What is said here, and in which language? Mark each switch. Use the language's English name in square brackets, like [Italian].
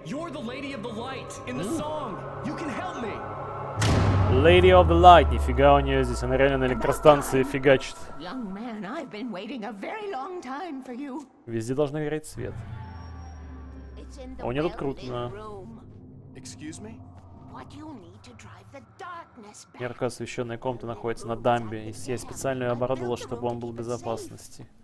[English] You're the Lady of the Light in the song! You can help me! Lady of the Light! [Russian] Нифига у нее здесь, она реально на электростанции фигачит. [English] Young man, I've been waiting a very long time for you. [Russian] Везде должна гореть свет. У нее тут крутно. [English] Excuse me? What you need to drive the darkness back. [Russian] Ярко освещенная комната находится на дамбе, и я специально ее оборудовала, чтобы он был в безопасности.